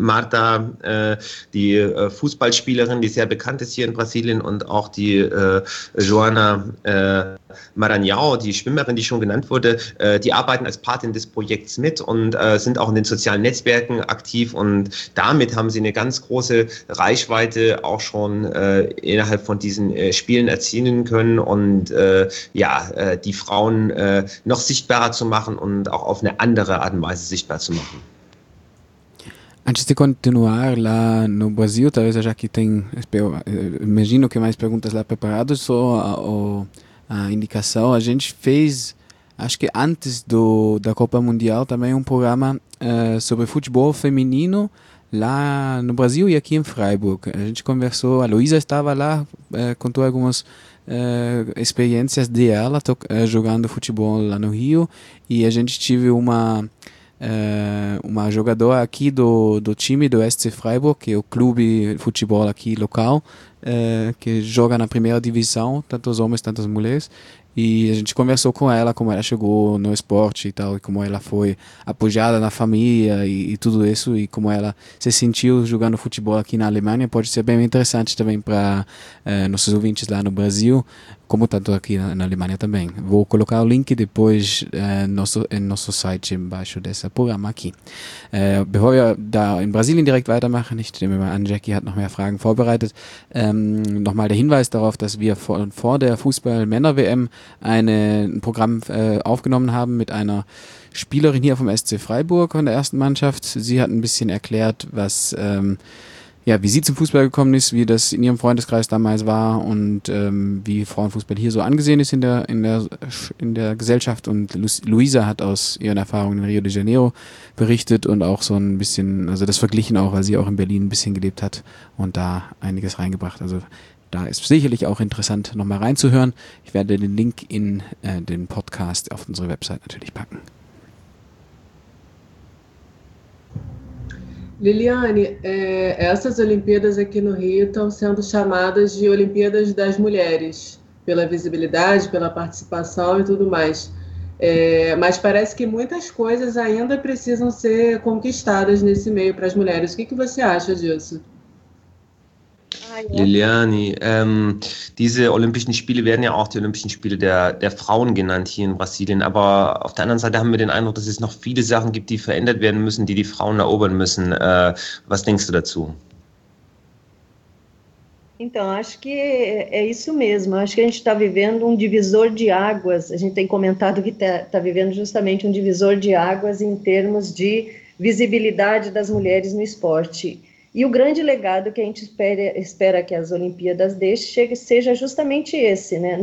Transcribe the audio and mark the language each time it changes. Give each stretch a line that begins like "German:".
German: Marta, die Fußballspielerin, die sehr bekannt ist hier in Brasilien, und auch die Joana Maranhão, die Schwimmerin, die schon genannt wurde, die arbeiten als Patin des Projekts mit und sind auch in den sozialen Netzwerken aktiv. Und damit haben sie eine ganz große Reichweite auch schon innerhalb von diesen Spielen erzielen können und die Frauen noch sichtbarer zu machen und auch auf eine andere Art und Weise sichtbar zu machen.
Portuguese: Antes de continuar lá no Brasil, talvez já que tem, imagino que mais perguntas lá preparadas, só a indicação, a gente fez, acho que antes da Copa Mundial, também um programa sobre futebol feminino lá no Brasil e aqui em Freiburg. A gente conversou, a Luísa estava lá, contou algumas experiências dela jogando futebol lá no Rio, e a gente teve uma jogadora aqui do time do SC Freiburg, que é o clube de futebol aqui local, que joga na primeira divisão, tanto os homens quanto as mulheres, e a gente conversou com ela, como ela chegou no esporte e tal, e como ela foi apoiada na família e tudo isso, e como ela se sentiu jogando futebol aqui na Alemanha. Pode ser bem interessante também para nossos ouvintes lá no Brasil, como tanto aqui na Alemanha também. Vou colocar o link depois em nosso site embaixo desse programa aqui.
German: Bevor wir da in Brasilien direkt weitermachen, ich nehme mal an, Jackie hat noch mehr Fragen vorbereitet, nochmal der Hinweis darauf, dass wir vor der Fußball-Männer-WM ein Programm aufgenommen haben mit einer Spielerin hier vom SC Freiburg von der ersten Mannschaft. Sie hat ein bisschen erklärt, wie sie zum Fußball gekommen ist, wie das in ihrem Freundeskreis damals war und wie Frauenfußball hier so angesehen ist in der Gesellschaft. Und Luisa hat aus ihren Erfahrungen in Rio de Janeiro berichtet und auch so ein bisschen, also das verglichen auch, weil sie auch in Berlin ein bisschen gelebt hat und da einiges reingebracht. Also da ist sicherlich auch interessant, nochmal reinzuhören. Ich werde den Link in den Podcast auf unsere Website natürlich packen.
Portuguese: Liliane, essas Olimpíadas aqui no Rio estão sendo chamadas de Olimpíadas das Mulheres, pela visibilidade, pela participação e tudo mais. Mas parece que muitas coisas ainda precisam ser conquistadas nesse meio para as mulheres. O que você acha disso?
German: Liliane, diese Olympischen Spiele werden ja auch die Olympischen Spiele der Frauen genannt hier in Brasilien, aber auf der anderen Seite haben wir den Eindruck, dass es noch viele Sachen gibt, die verändert werden müssen, die Frauen erobern müssen. Was denkst du dazu?
Portuguese: Então, acho que é isso mesmo. Acho que a gente está vivendo um divisor de águas. A gente tem comentado que está vivendo justamente um divisor de águas em termos de visibilidade das mulheres no esporte. E o grande legado que a gente espera que as Olimpíadas deixem seja justamente esse, né?